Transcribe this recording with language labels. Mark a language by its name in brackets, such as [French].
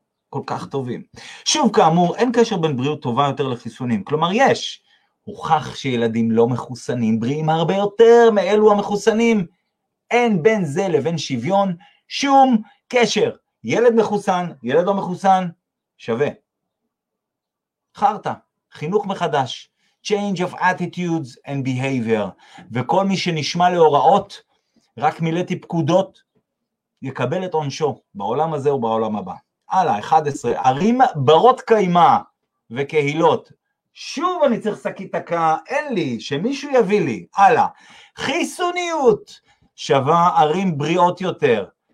[Hebrew] כל כך טובים. שוב כאמור, אין קשר בין בריאות טובה יותר לחיסונים. כלומר, יש. הוכח שילדים לא מחוסנים בריאים הרבה יותר מאלו המחוסנים. אין בין זה לבין שוויון שום קשר. ילד מחוסן, ילד לא מחוסן, שווה. חרטה, חינוך מחדש. [English] Change of attitudes and behavior. [Hebrew] וכל מי שנשמע להוראות, רק מילאתי פקודות, יקבל את עונשו בעולם הזה ובעולם הבא. הלאה, 11, ערים ברות קיימה וקהילות. שוב אני צריך סקית הקה, אין לי, שמישהו יביא לי. הלאה, חיסוניות שווה ערים בריאות יותר.